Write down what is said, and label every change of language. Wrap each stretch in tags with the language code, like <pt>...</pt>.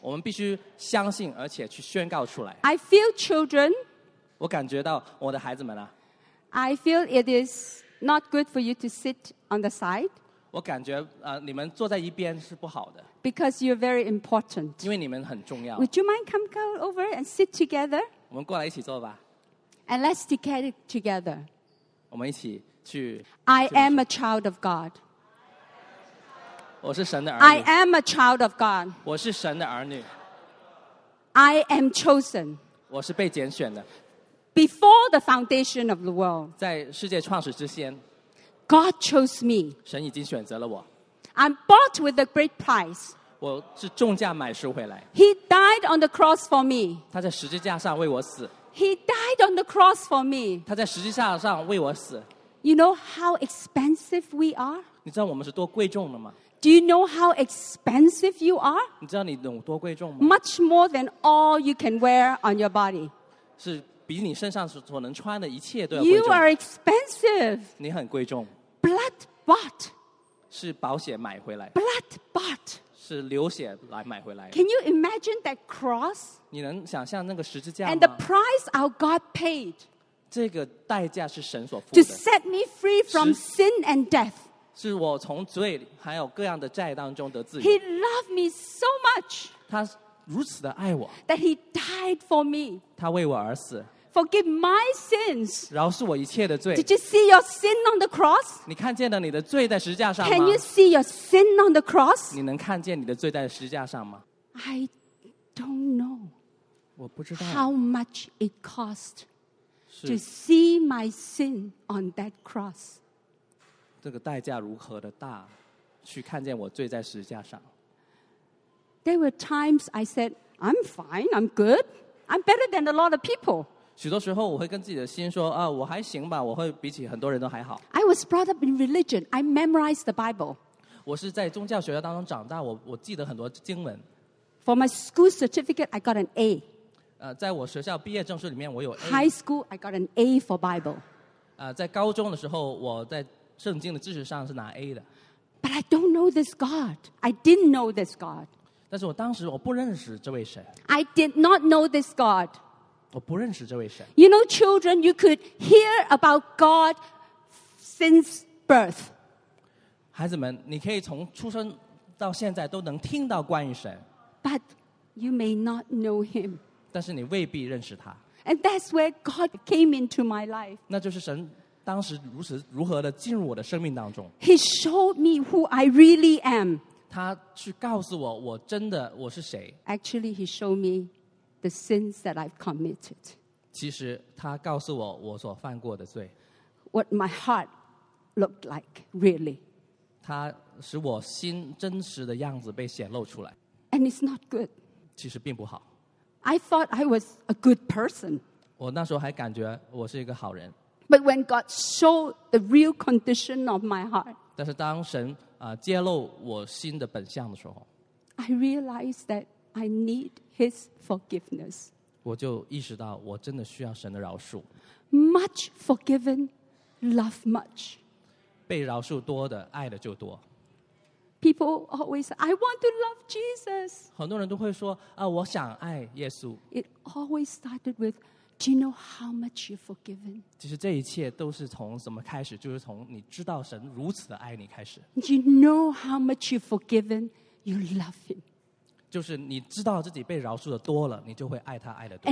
<zh>我们必须相信而且去宣告出来。</zh> <en>I feel children.</en> <zh>我感觉到我的孩子们啊。</zh> <en>I feel it is not good for you to sit on the side.</en> <zh>我感觉你们坐在一边是不好的。</zh> <en>Because you're very important.</en> <zh>因为你们很重要。</zh> <en>Would you mind come go over and sit together?</en> <zh>我们过来一起坐吧。</zh> <en>And let's declare it together.</en> <zh>我们一起去。</zh> <en>I am a child of God.</en> <zh>我是神的儿女。</zh> <en>I am a child of God.</en> <zh>我是神的儿女。</zh> <en>I am chosen.</en> <zh>我是被拣选的。</zh> <en>Before the foundation of the world,</en> <zh>在世界创始之前,</zh> <en>God chose me.</en> <zh>神已经选择了我。</zh> <en>I'm bought with a great price.</en> <zh>我是重价买赎回来。</zh> <en>He died on the cross for me.</en> <zh>他在十字架上为我死。</zh> <en>He died on the cross for me.</en> <zh>他在十字架上为我死。</zh> <en>You know how expensive we are?</en> <zh>你知道我们是多贵重的吗？</zh> <en>Do you know how expensive you are?</en> <zh>你知道你有多贵重吗？</zh> <en>Much more than all you can wear on your body.</en> <zh>是比你身上所能穿的一切都要贵重。</zh> <en>You are expensive.</en> <zh>你很贵重。</zh> <en>Blood bought.</en> <zh>是保险买回来。</zh> <en>Blood bought.</en> <zh>是流血来买回来。</zh> <en>Can you imagine that cross?</en> <zh>你能想象那个十字架吗？</zh> <en>And the price our God paid.</en> <zh>这个代价是神所付的。</zh> <en>To set me free from sin and death.</en> <zh>是我从罪还有各样的债当中得自由。</zh> <en>He loved me so much.</en> <zh>他如此的爱我。</zh> <en>That he died for me.</en> <zh>他为我而死。</zh> <en>Forgive my sins.</en> <zh>饶恕我一切的罪。</zh> <en>Did you see your sin on the cross?</en> <zh>你看见了你的罪在十字架上吗?</zh> <en>Can you see your sin on the cross?</en> <zh>你能看见你的罪在十字架上吗?</zh> <en>I don't know.</en> <zh>我不知道。</zh> <en>How much it cost to see my sin on that cross.</en> <zh>这个代价如何的大去看见我罪在十字架上。</zh> <en>There were times I said, I'm fine, I'm good. I'm better than a lot of people.</en> <zh>许多时候我会跟自己的心说啊，我还行吧，我会比起很多人都还好。</zh> <en>I was brought up in religion. I memorized the Bible.</en> <zh>我是在宗教学校当中长大，我记得很多经文。</zh> <en>For my school certificate, I got an A.</en> <zh>在我学校毕业证书里面我有 A.</zh> <en>High school, I got an A for Bible.</en> <zh>在高中的时候我在圣经的知识上是拿 A 的。</zh> <en>But I don't know this God. I didn't know this God.</en> <zh>但是我当时我不认识这位神。</zh> <en>I did not know this God.</en> <zh>我不认识这位神。</zh> <en>You know, children, you could hear about God since birth.</en> <zh>孩子们，你可以从出生到现在都能听到关于神。</zh> <en>But you may not know him.</en> <zh>但是你未必认识他。</zh> <en>And that's where God came into my life.</en> <zh>那就是神当时如何的进入我的生命当中。</zh> <en>He showed me who I really am.</en> <zh>他去告诉我，我真的我是谁。</zh> <en>Actually, he showed me the sins that I've committed.</en> <zh>其实他告诉我我所犯过的罪。</zh> <en>What my heart looked like, really.</en> <zh>他使我心真实的样子被显露出来。</zh> <en>And it's not good.</en> <zh>其实并不好。</zh> <en>I thought I was a good person.</en> <zh>我那时候还感觉我是一个好人。</zh> <en>But when God showed the real condition of my heart,</en> <zh>但是当神揭露我心的本相的时候，</zh> <en>I realized that I need his forgiveness.</en> <zh>我就意识到我真的需要神的饶恕。</zh> <en>Much forgiven, love much.</en> <zh>被饶恕多的，爱的就多。</zh> <en>People always say, I want to love Jesus.</en> <zh>很多人都会说，啊，我想爱耶稣。</zh> <en>It always started with, do you know how much you've forgiven?</en> <zh>其实这一切都是从什么开始？就是从你知道神如此的爱你开始。</zh> <en>Do you know how much you've forgiven? You love him.</en> <zh>就是你知道自己被饶恕的多了，你就会爱他爱的多。</zh>